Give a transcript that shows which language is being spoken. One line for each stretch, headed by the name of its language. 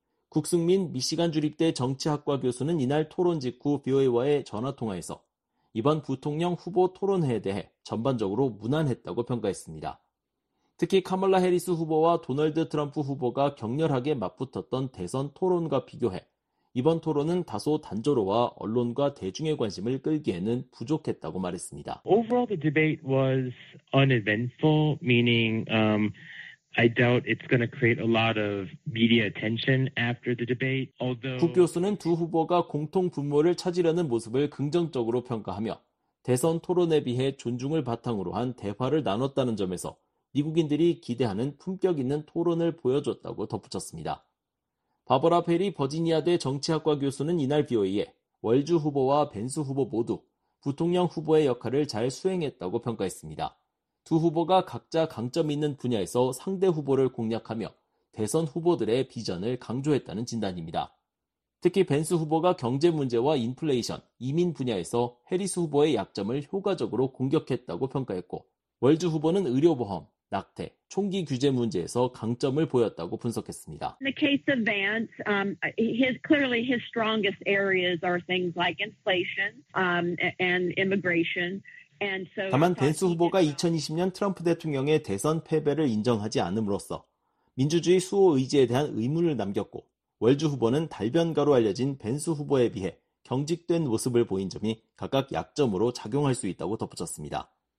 Korean: 국승민 미시간 주립대 정치학과 교수는 이날 토론 직후 BOA와의 전화통화에서 이번 부통령 후보 토론회에 대해 전반적으로 무난했다고 평가했습니다. 특히 카멀라 해리스 후보와 도널드 트럼프 후보가 격렬하게 맞붙었던 대선 토론과 비교해 이번 토론은 다소 단조로워 언론과 대중의 관심을 끌기에는 부족했다고 말했습니다.
English: Overall, the debate was uneventful, meaning I doubt it's going to create a lot of media attention after the debate. Although
Korean: 국 교수는 두 후보가 공통 분모를 찾으려는 모습을 긍정적으로 평가하며 대선 토론에 비해 존중을 바탕으로 한 대화를 나눴다는 점에서 미국인들이 기대하는 품격 있는 토론을 보여줬다고 덧붙였습니다. 바버라 페리 버지니아대 정치학과 교수는 이날 BOA에 월즈 후보와 벤스 후보 모두 부통령 후보의 역할을 잘 수행했다고 평가했습니다. 두 후보가 각자 강점 있는 분야에서 상대 후보를 공략하며 대선 후보들의 비전을 강조했다는 진단입니다. 특히 벤스 후보가 경제 문제와 인플레이션, 이민 분야에서 해리스 후보의 약점을 효과적으로 공격했다고 평가했고 월즈 후보는 의료보험, 낙태, 총기 규제 문제에서 강점을 보였다고 분석했습니다.
English: In the case of Vance, his strongest areas are things like inflation and immigration. And so
Korean: 다만 벤스 후보가 2020년 트럼프 대통령의 대선 패배를 인정하지 않음으로써 민주주의 수호 의지에 대한 의문을 남겼고 월즈 후보는 달변가로 알려진 벤스 후보에 비해 경직된 모습을 보인 점이 각각 약점으로 작용할 수 있다고 덧붙였습니다.